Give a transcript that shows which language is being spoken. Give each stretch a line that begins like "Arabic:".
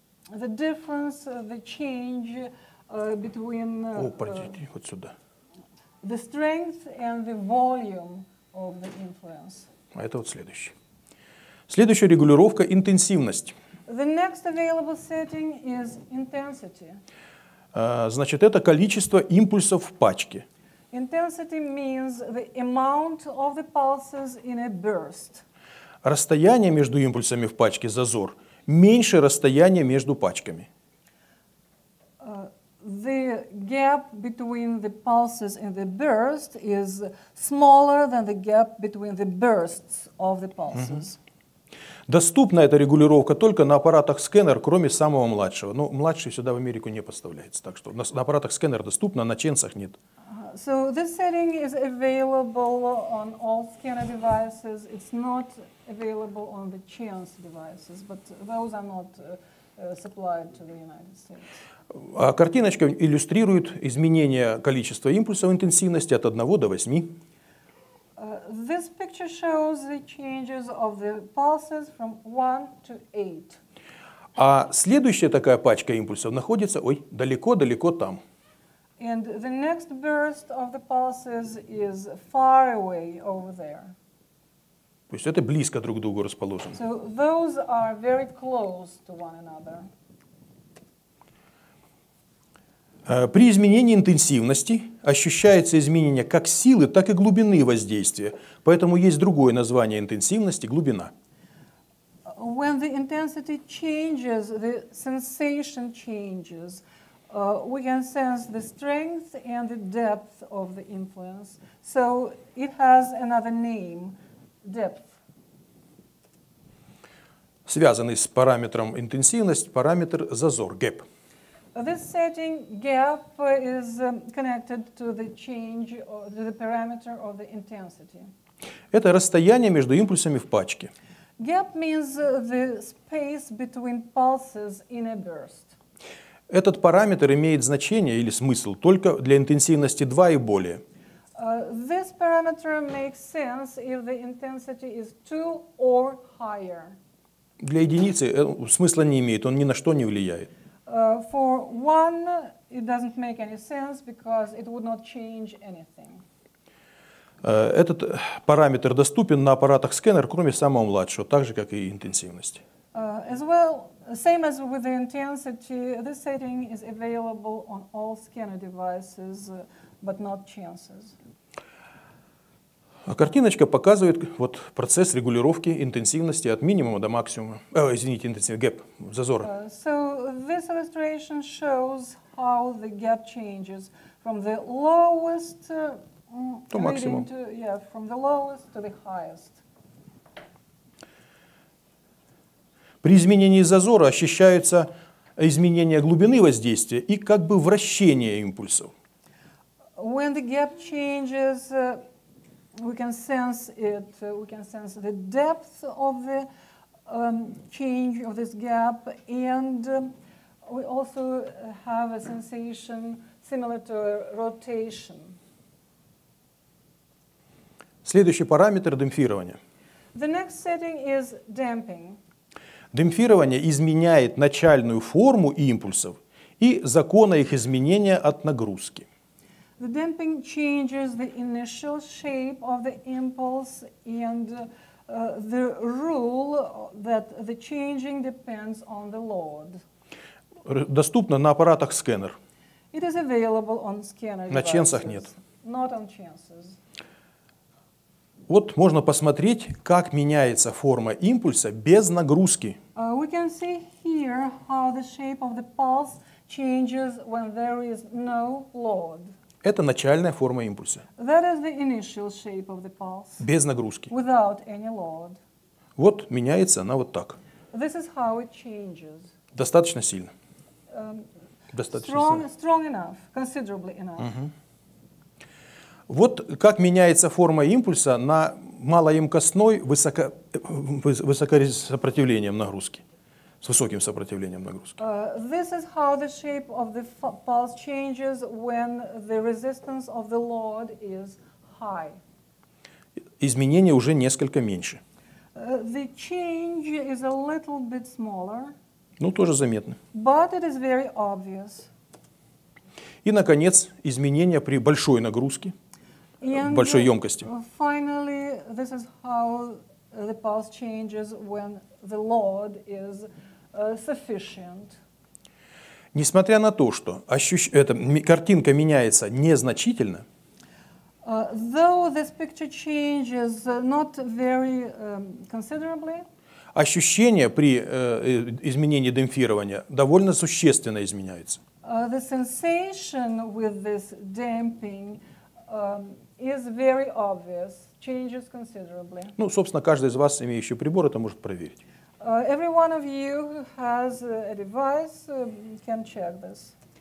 English: The difference, the change between the strength and the volume of the influence.
Russian: А это вот следующее. Следующая регулировка – интенсивность.
English: The next available setting is intensity.
Russian: Значит, это количество импульсов в пачке.
English: Intensity means the amount of the pulses in a burst.
Russian: Расстояние между импульсами в пачке, зазор, меньше расстояния между пачками.
English: The gap between the pulses in the burst is smaller than the gap between the bursts of the pulses.
Russian: Доступна эта регулировка только на аппаратах сканер, кроме самого младшего. Но младший сюда в Америку не поставляется, так что на аппаратах сканер доступна, на ченсах нет.
English: So this setting is available on all scanner devices. It's not available on the chance devices, but those are not supplied to the United States.
Russian: А картиночка иллюстрирует изменение количества импульсов интенсивности от 1 до 8.
English: This picture shows the changes of the pulses from 1 to 8.
Russian: А следующая такая пачка импульсов находится, далеко-далеко там.
English: And the next burst of the pulses is far away over there.
Russian: То есть это близко друг к другу расположены.
English: So those are very close to one another.
Russian: При изменении интенсивности ощущается изменение как силы, так и глубины воздействия. Поэтому есть другое название интенсивности – глубина.
English: When the intensity changes, the sensation changes. We can sense the strength and the depth of the influence. So it has another name – depth.
Russian: Связанный с параметром интенсивность – параметр зазор – gap.
English: This setting gap is connected to the change to the parameter of the intensity.
Russian: Это расстояние между импульсами в пачке.
English: Gap means the space between pulses in a burst.
Russian: Этот параметр имеет значение или смысл только для интенсивности 2 и более.
English: This parameter makes sense if the intensity is 2 or higher.
Russian: Для единицы смысла не имеет, он ни на что не влияет.
English: For one, it doesn't make any sense because it would not change anything.
Russian: Этот параметр доступен на аппаратах сканер, кроме самого младшего, так же как и интенсивность.
English: As well, same as with the intensity, this setting is available on all scanner devices, but not chances.
Russian: Картиночка показывает вот процесс регулировки интенсивности от минимума до максимума. Интенсивность, gap, зазор.
English: So this illustration shows how the gap changes from the lowest to maximum. From the lowest to the highest.
Russian: При изменении зазора ощущается изменение глубины воздействия и как бы вращение импульсов.
English: When the gap changes, we can sense it. We can sense the depth of the change of this gap, and we also have a sensation similar to a rotation.
Russian: Следующий параметр – демпфирование.
English: The next setting is damping.
Russian: Демпфирование изменяет начальную форму импульсов и законы их изменения от нагрузки.
English: The damping changes the initial shape of the impulse and the rule that the changing depends on the load.
Russian: Доступно на аппаратах сканер.
English: It is available on scanner devices.
Russian: На ченсах нет.
English: Not on chances.
Russian: Вот можно посмотреть, как меняется форма импульса без нагрузки.
English: We can see here how the shape of the pulse changes when there is no load.
Russian: Это начальная форма импульса.
English: That is the initial shape of the pulse.
Russian: Без нагрузки.
English: Without any load.
Russian: Вот меняется она вот так.
English: This is how it changes.
Russian: Достаточно сильно.
English: Strong enough, considerably enough.
Russian: Вот как меняется форма импульса на малоемкостной высокосопротивлением нагрузки, с высоким сопротивлением нагрузки.
English: This is how the shape of the pulse changes when the resistance of the load is high.
Russian: Изменение уже несколько меньше.
English: The change is a little bit smaller.
Russian: Ну, тоже заметно.
English: But it is very obvious.
Russian: И, наконец, изменения при большой нагрузке.
English: And
Russian: большой емкости.
English: Finally, this is how the pulse changes when the load is sufficient.
Russian: Несмотря на то, что картинка меняется незначительно,
English: though this picture changes not very considerably,
Russian: ощущение при изменении демпфирования довольно существенно изменяется.
English: The sensation with this damping is very obvious, changes considerably.
Russian: Ну, собственно, каждый из вас, имеющий прибор, это может проверить.
English: Every one of you who has a device can check this.